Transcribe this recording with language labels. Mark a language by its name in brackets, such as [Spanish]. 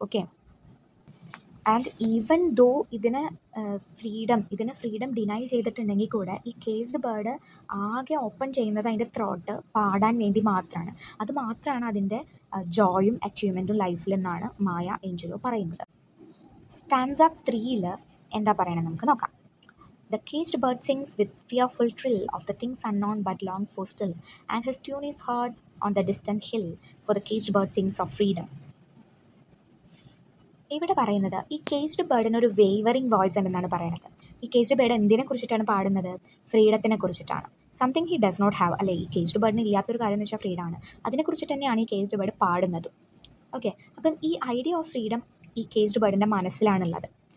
[Malayalam] Okay, and even though ഇതിനെ freedom deny ചെയ്തിട്ടുണ്ടെങ്കിൽ കൂടെ ഈ കേജ്ഡ് ബേർഡ് ആകെ ഓപ്പൺ ചെയ്യുന്നത് അതിൻ്റെ ത്രോട്ട് പാടാൻ വേണ്ടി മാത്രമാണ്, അത് മാത്രമാണ് അതിൻ്റെ ജോയും അച്ചീവ്മെൻറ്റും ലൈഫിലെന്നാണ് മായ ഏഞ്ചലോ പറയുന്നത്. സ്റ്റാൻസ് അപ്പ് ത്രീയിൽ എന്താ പറയണത് നമുക്ക് നോക്കാം. [English] The caged bird sings with fearful trill of the things unknown but longed for still, and his tune is heard on the distant hill, for the caged bird sings of freedom. [Malayalam] ഇവിടെ പറയുന്നത് ഈ caged ബേർഡിന് ഒരു wavering voice ഉണ്ടെന്നാണ് പറയുന്നത്. ഈ caged bird എന്തിനെ കുറിച്ചിട്ടാണ് പാടുന്നത്? ഫ്രീഡത്തിനെ കുറിച്ചിട്ടാണ്. [English] something he does not have, [Malayalam] അല്ലെ ഈ കേജ്ഡ് ബേർഡിന് ഇല്ലാത്തൊരു കാര്യം എന്ന് വെച്ചാൽ ഫ്രീഡാണ്. അതിനെ കുറിച്ചിട്ട് തന്നെയാണ് ഈ കേജ്ഡ് ബേർഡ് പാടുന്നത്. ഓക്കെ, അപ്പം ഈ ഐഡിയ ഓഫ് ഫ്രീഡം ഈ കേജ്ഡ് ബേർഡിൻ്റെ മനസ്സിലാണുള്ളത്.